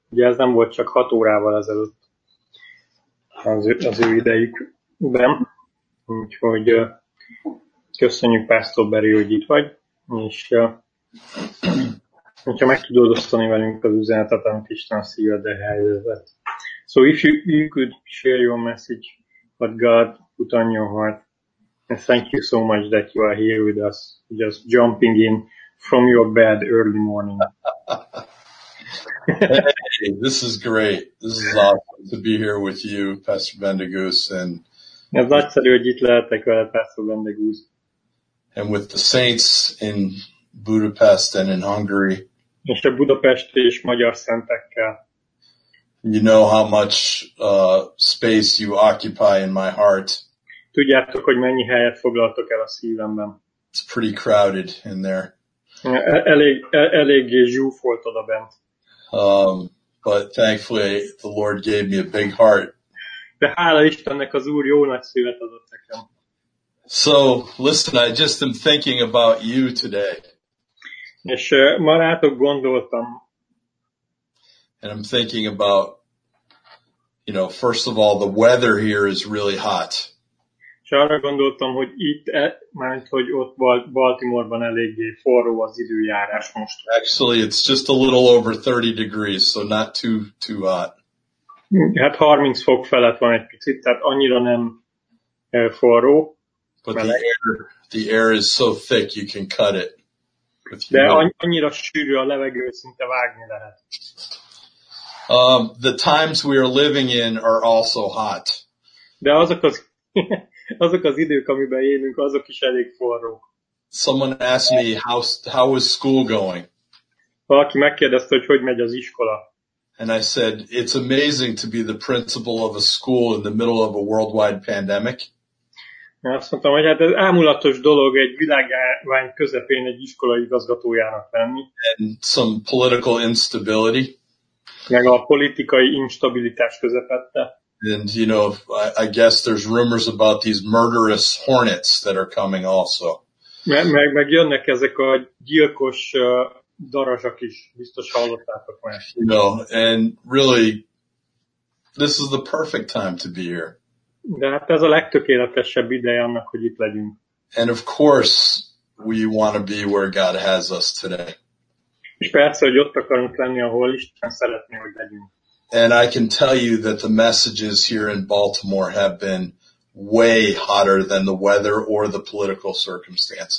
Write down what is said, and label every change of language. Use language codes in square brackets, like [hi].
[hu] Ugye ez nem volt csak 6 órával ezelőtt az ő idejükben. Úgyhogy köszönjük, Pásztor Beri, hogy itt vagy. És hogyha meg tudod osztani velünk az üzenetet, amit Isten a szívedre helyezett. [en] So if you could share your message, what God put on your heart, and thank you so much that you are here with us, just jumping in from your bed early morning. Hey, this is great. This is awesome to be here with you, Pastor Bendegúz. And [hu] ez nagyszerű, hogy itt lehetek veled, Pastor Bendegúz. [en] And with the saints in Budapest and in Hungary. [hu] És a budapesti és magyar szentekkel. [en] You know how much space you occupy in my heart. [hu] Tudjátok, hogy mennyi helyet foglaltok el a szívemben. [en] It's pretty crowded in there. [hu] Elég zsúfolt oda bent. [en] But thankfully the Lord gave me a big heart. [hu] De hála Istennek, az Úr jó nagy szívet adott nekem. [en] So listen, I just am thinking about you today. [hu] És ma rátok gondoltam. [en] And I'm thinking about, you know, first of all, the weather here is really hot. [hu] És arra gondoltam, hogy hogy ott Baltimoreban eléggé forró az időjárás most. [en] Actually, it's just a little over 30 degrees, so not too hot. [hu] Hát 30 fok felett van egy picit, tehát annyira nem, forró. [en] But the air is so thick you can cut it. [hu] De annyira sűrű a levegő, szinte vágni lehet. [en] The times we are living in are also hot. [hu] De azok az idők, amiben élünk, azok is elég forrók. [en] Someone asked me how is school going? [hu] Valaki megkérdezte, hogy hogy megy az iskola. [en] And I said it's amazing to be the principal of a school in the middle of a worldwide pandemic. [hu] Azt mondtam, hogy hát ez ámulatos dolog egy világvány közepén egy iskola igazgatójának lenni. [en] And some political instability. [hu] Meg a politikai instabilitás közepette. [en] And you know, I guess there's rumors about these murderous hornets that are coming also. [hu] Meg jönnek ezek a gyilkos darazsak is, biztos hallottátok már. [en] No, and really, this is the perfect time to be here. [hu] De hát ez a legtökéletesebb ideje annak, hogy itt legyünk. [en] And of course, we want to be where God has us today. [hu] És persze, hogy ott akarunk lenni, ahol Isten szeretné, hogy legyünk. [en] And I can tell you that the messages here in Baltimore have been way hotter than the weather or the political circumstances.